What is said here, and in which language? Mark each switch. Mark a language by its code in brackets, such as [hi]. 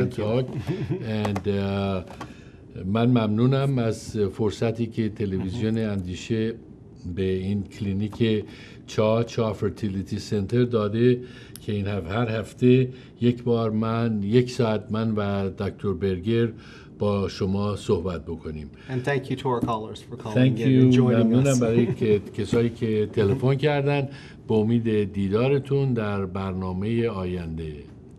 [en] and talk and [fa] من ممنونم از فرصتی که تلویزیون اندیشه به این کلینیک چا فرتیلیتی سنتر داده که این هر هفته یک بار من یک ساعت من و دکتر برگر با شما صحبت بکنیم. [en] And thank you to our callers for calling in and joining us. [fa] ممنونم برای کسایی که تلفن کردن. به امید دیدارتون در برنامه آینده.